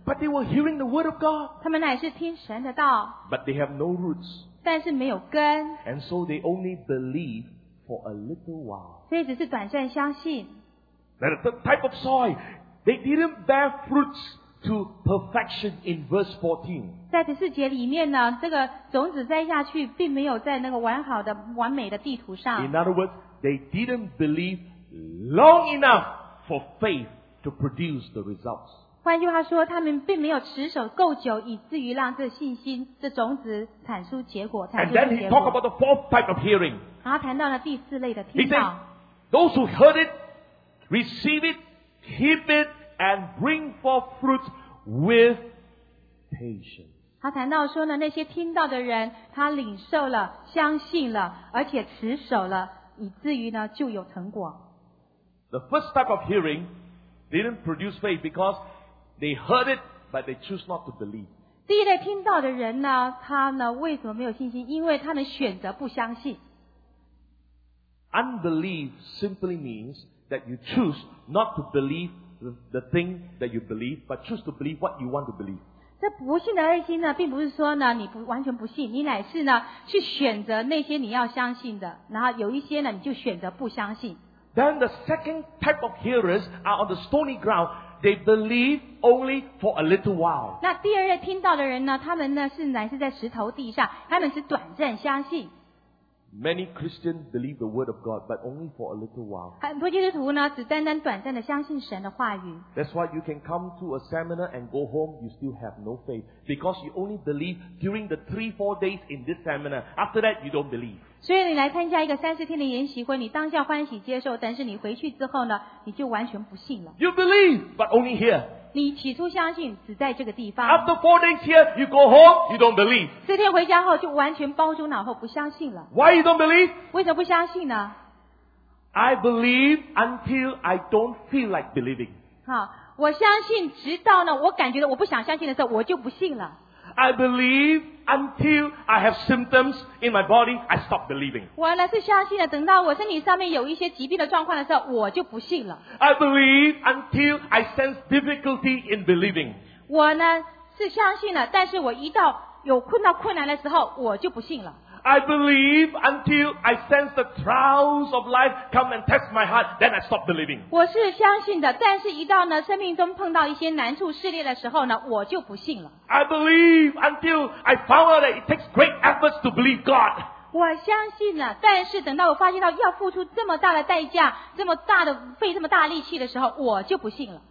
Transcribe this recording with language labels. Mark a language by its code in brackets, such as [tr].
[en] But they were hearing the word of God. [zh] 他们乃是听神的道。 [en] But they have no roots. [zh] 但是没有根。 [en] And so they only believe for a little while. [zh] 所以只是短暂相信。 [en] That the type of soil, they didn't bear fruits to perfection in verse 14. [zh] 在第四节里面呢，这个种子栽下去，并没有在那个完好的、完美的地图上。 [en] In other words, they didn't believe long enough for faith to produce the results. [zh] 换句话说，他们并没有持守够久，以至于让这信心、这种子产出结果。 [en] And then he talked about the fourth type of hearing. [zh] 然后谈到了第四类的听到。 [en] He said, those who heard it. Receive it, keep it, and bring forth fruit with patience. [zh] 他谈到说呢，那些听到的人，他领受了，相信了，而且持守了，以至于呢就有成果。 [en] The first type of hearing didn't produce faith because they heard it, but they choose not to believe. [zh] 第一类听到的人呢，他呢为什么没有信心？因为他们选择不相信。 [en] Unbelief simply means. That you choose not to believe the thing that you believe, but choose to believe what you want to believe. [zh] 这不信的爱心呢，并不是说呢你不完全不信，你乃是呢去选择那些你要相信的，然后有一些呢你就选择不相信。 [en] Then the second type of hearers are on the stony ground. They believe only for a little while. [zh] 那第二类听到的人呢，他们呢是乃是在石头地上，他们是短暂相信。 [en] Many Christians believe the word of God, but only for a little while. [zh] 很多基督徒呢，只单单短暂的相信神的话语。 [en] That's why you can come to a seminar and go home, you still have no faith, because you only believe during the 3-4 days in this seminar. After that, you don't believe. [zh] 所以你来参加一个3-4天的研习会，你当下欢喜接受，但是你回去之后呢，你就完全不信了。 [en] You believe, but only here. [zh] 你起初相信只在这个地方。 [en] After 4 days here, you go home, you don't believe. [zh] 四天回家后就完全包住脑后不相信了。 [en] Why you don't believe? [zh] 为什么不相信呢 [en] ？I believe until I don't feel like believing. [zh] 好，我相信直到呢，我感觉到我不想相信的时候，我就不信了。 [en] I believe until I have symptoms in my body, I stop believing. [zh] 我呢是相信了，等到我身体上面有一些疾病的状况的时候，我就不信了。 [en] I believe until I sense difficulty in believing. [zh] 我呢是相信了，但是我一到有困难的时候，我就不信了。 [en] I believe until I sense the trials of life come and test my heart, then I stop believing. [zh] 我是相信的，但是一到呢生命中碰到一些难处试炼的时候呢，我就不信了。 [en] I believe until I found out that it takes great efforts to believe God. [zh] 我相信了，但是等到我发现到要付出这么大的代价，这么大的费这么大力气的时候，我就不信了。